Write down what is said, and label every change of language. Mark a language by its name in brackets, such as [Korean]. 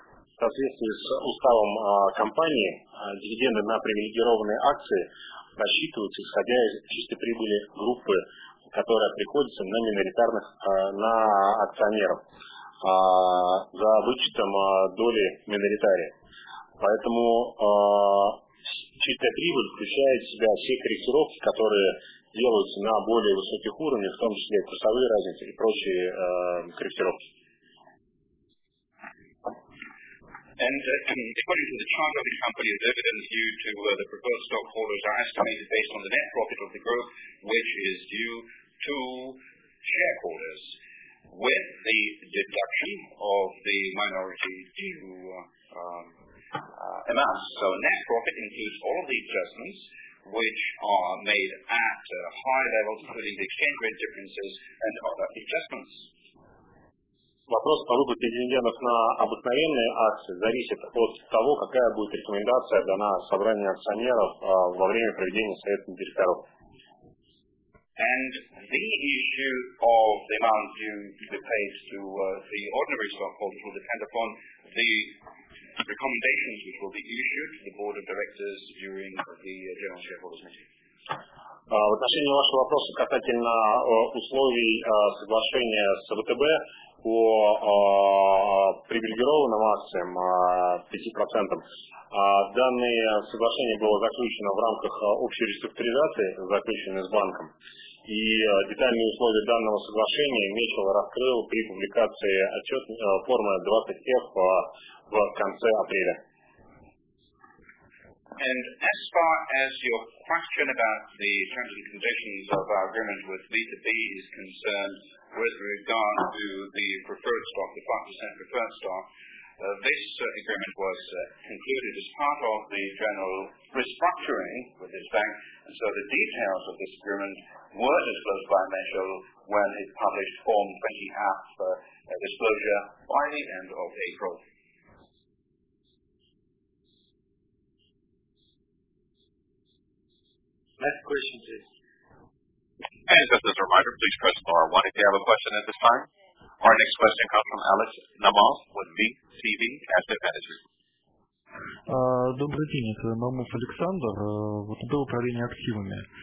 [Russian] В соответствии с уставом компании, дивиденды на привилегированные акции рассчитываются исходя из чистой прибыли группы, которая приходится на миноритарных на акционеров за вычетом доли миноритария. Поэтому чистая прибыль включает в себя все корректировки, которые делаются на более высоких уровнях, в том числе курсовые разницы и прочие корректировки. [English] And according to the charter of the company, the dividends due to the preferred stockholders are estimated based on the net profit of the group, which is due to shareholders, with the deduction of the minority due amounts. So net profit includes all of the adjustments, which are made at high levels, including the exchange rate differences and other adjustments. [Russian] Вопрос по выплате дивидендов на обыкновенные акции зависит от того, какая будет рекомендация дана собранию акционеров во время проведения совета директоров. [English] And the issue of the amount due to the ordinary stockholders will depend upon the recommendations which will be issued to the board of directors during the general shareholders meeting. [Russian] В отношении вашего вопроса касательно условий соглашения с ВТБ по привилегированным акциям 5%. Данное соглашение было заключено в рамках общей реструктуризации, заключенной с банком. И детальные условия данного соглашения Мечел раскрыл при публикации отчет формы 20F в конце апреля. [English] And as far as your question about the terms and conditions of our agreement with B2B is concerned, with regard to the preferred stock, the 5% preferred stock, this agreement was concluded as part of the general restructuring with this bank, and so the details of this agreement were disclosed by Mitchell when it published Form 20F disclosure by the end of April. Next question, please. And just as a reminder, please press star 1 if you have a question at this time. Our next question comes from Alex Namov with VCV Asset Management. [Russian] Добрый день, это Намов Александр, ВТБ управление активами.